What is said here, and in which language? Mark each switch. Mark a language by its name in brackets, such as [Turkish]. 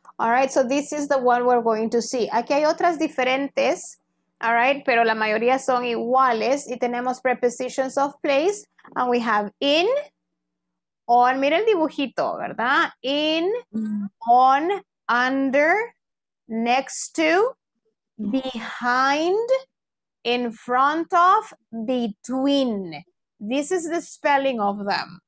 [English] All right, so this is the one we're going to see. [Spanish] Aquí hay otras diferentes, [English] all right, [Spanish] pero la mayoría son iguales. Y tenemos [English] prepositions of place, and we have in, on. [Spanish] Mira el dibujito, ¿verdad? [English] In, on, under, next to, behind, in front of, between. This is the spelling of them,